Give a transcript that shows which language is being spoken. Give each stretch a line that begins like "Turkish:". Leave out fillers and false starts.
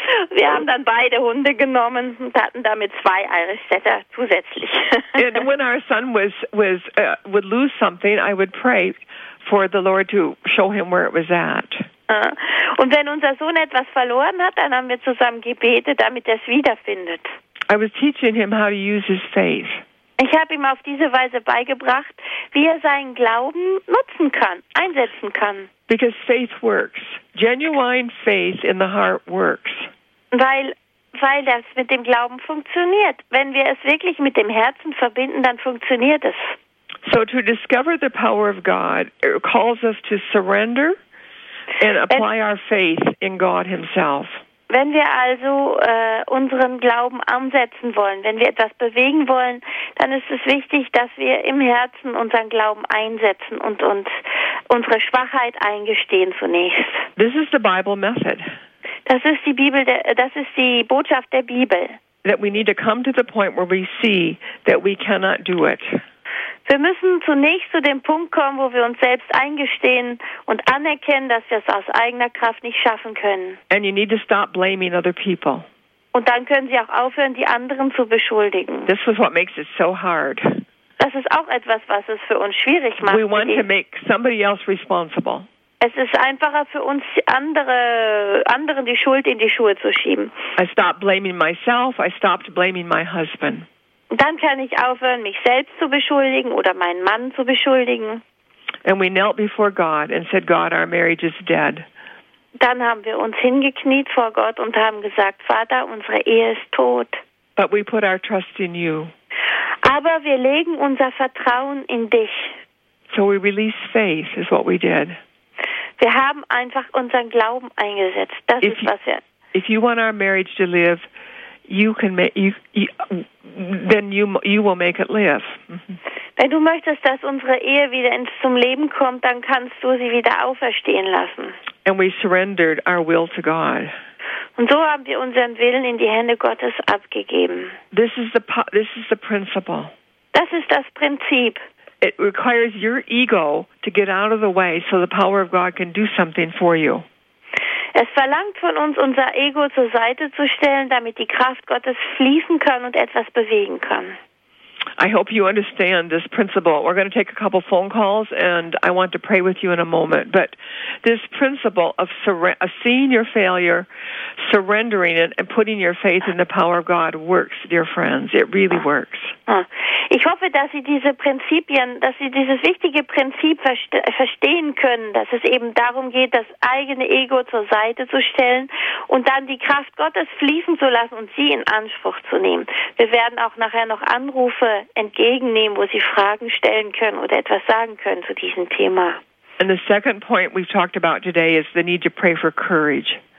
German: Wir haben dann beide Hunde genommen und hatten damit zwei Irish Setter zusätzlich.
English: And when our son would lose something, I would pray for the Lord to show him where it was at.
German: Und wenn unser Sohn etwas verloren hat, dann haben wir zusammen gebetet, damit er es wiederfindet.
English: I was teaching him how to use his faith.
German: Ich habe ihm auf diese Weise beigebracht, wie er seinen Glauben nutzen kann, einsetzen kann.
English: Because faith works. Genuine faith in the heart works.
German: Weil das mit dem Glauben funktioniert. Wenn wir es wirklich mit dem Herzen verbinden, dann funktioniert es.
English: So to discover the power of God, it calls us to surrender and apply our faith in God himself.
German: Wenn wir also unseren Glauben ansetzen wollen, wenn wir etwas bewegen wollen, dann ist es wichtig, dass wir im Herzen unseren Glauben einsetzen und uns unsere Schwachheit eingestehen zunächst.
English: This is the Bible method.
German: Das ist die Botschaft der Bibel.
English: That we need to come to the point where we see that we cannot do it.
German: Wir müssen zunächst zu dem Punkt kommen, wo wir uns selbst eingestehen und anerkennen, dass wir es aus eigener Kraft nicht schaffen können.
English: And you need to stop blaming other people.
German: Und dann können Sie auch aufhören, die anderen zu beschuldigen.
English: This is what makes it so hard.
German: Das ist auch etwas, was es für uns schwierig macht.
English: We want to make somebody else responsible.
German: Es ist einfacher für uns, anderen die Schuld in die Schuhe zu schieben.
English: I stopped blaming myself. I stopped blaming my husband.
German: Dann kann ich aufhören, mich selbst zu beschuldigen oder meinen Mann zu beschuldigen.
English: And we knelt before God and said, God, our marriage is dead.
German: Dann haben wir uns hingekniet vor Gott und haben gesagt, Vater, unsere Ehe ist tot.
English: But we put our trust in you.
German: Aber wir legen unser Vertrauen in dich.
English: So we release faith is what we did.
German: Wir haben einfach unseren Glauben eingesetzt. Das ist was wir.
English: If you want our marriage to live, you can make you will make it live.
German: Wenn du möchtest, dass unsere Ehe wieder zum Leben kommt, dann kannst du sie wieder auferstehen lassen.
English: And we surrendered our will to God.
German: Und so haben wir unseren Willen in die Hände Gottes abgegeben.
English: This is the principle.
German: Das ist das Prinzip.
English: It requires your ego to get out of the way so the power of God can do something for you.
German: Es verlangt von uns, unser Ego zur Seite zu stellen, damit die Kraft Gottes fließen kann und etwas bewegen kann.
English: I hope you understand this principle. We're going to take a couple phone calls and I want to pray with you in a moment. But this principle of seeing your failure, surrendering it and putting your faith in the power of God works, dear friends. It really works.
German: Ich hoffe, dass Sie diese Prinzipien, dass Sie dieses wichtige Prinzip verstehen können, dass es eben darum geht, das eigene Ego zur Seite zu stellen und dann die Kraft Gottes fließen zu lassen und sie in Anspruch zu nehmen. Wir werden auch nachher noch Anrufe entgegennehmen, wo Sie Fragen stellen können oder etwas sagen können zu diesem Thema.
English: And the second point we've talked about today is the need to pray for courage.